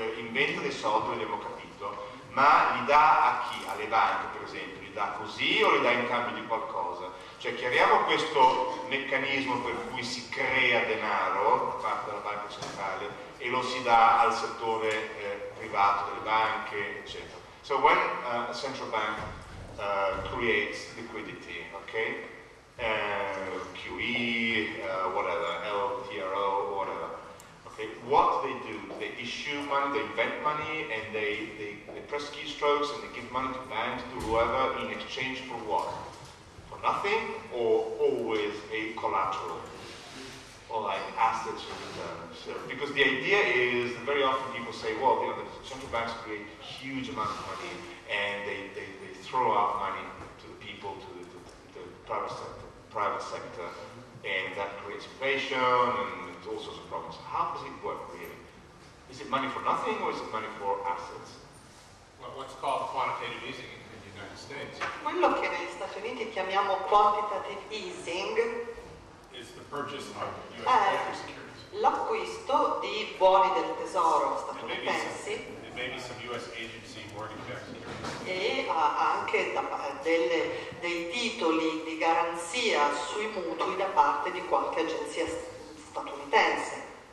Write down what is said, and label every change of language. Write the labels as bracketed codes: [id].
[it] Inventa dei soldi, l'abbiamo capito, ma li dà a chi? Alle banche, per esempio, li dà così o li dà in cambio di qualcosa? Cioè, chiariamo questo meccanismo per cui si crea denaro da parte della banca centrale e lo si dà al settore privato, delle banche, eccetera. [en] So when a central bank creates liquidity, okay? QE, whatever, LTRO, whatever. Okay, what do? They issue money, they invent money, and they press keystrokes and they give money to banks, to whoever, in exchange for what? For nothing or always a collateral? Or like assets or reserves? So, because the idea is that very often people say, well, you know, the central banks create huge amounts of money and they throw out money to the people, to the private sector. Private sector, and that creates inflation and all sorts of problems. How does it work really? Is it money for nothing or is it money for assets? Well, what's called quantitative easing in the United States? [it] Quello che negli Stati Uniti chiamiamo quantitative easing [en] is the purchase of U.S. treasury securities. [it] L'acquisto di buoni del tesoro statunitensi. [en] Maybe some U.S. agency mortgage [it] securities. E anche dei titoli di garanzia sui mutui da parte di qualche agenzia statunitense.